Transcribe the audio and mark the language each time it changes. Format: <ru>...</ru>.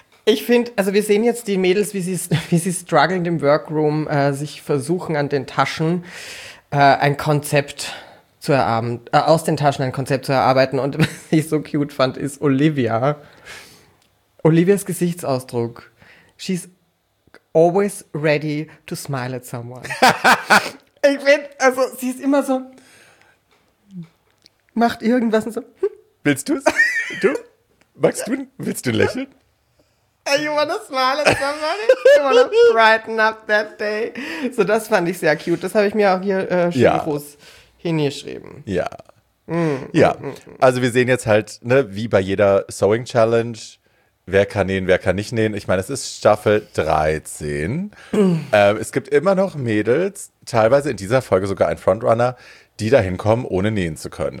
<de>Ich finde, also wir sehen jetzt die Mädels, wie sie strugglen im Workroom, sich versuchen an den Taschen ein Konzept zu erarbeiten, aus den Taschen ein Konzept zu erarbeiten. Und was ich so cute fand, ist Olivia. Olivias Gesichtsausdruck.</de> <en>She's always ready to smile at someone.</en> <de>Ich finde, also sie ist immer so, macht irgendwas und so. Willst du es? Du? Magst du? Willst du lächeln?</de> <en>You wanna smile at somebody? You wanna brighten up that day?</en> <de>So, das fand ich sehr cute. Das habe ich mir auch hier schön groß hingeschrieben. Ja. Ja. Also wir sehen jetzt halt, ne, wie bei jeder Sewing Challenge, wer kann nähen, wer kann nicht nähen. Ich meine, es ist Staffel 13. Es gibt immer noch Mädels, teilweise in dieser Folge sogar ein Frontrunner, die da hinkommen, ohne nähen zu können.</de>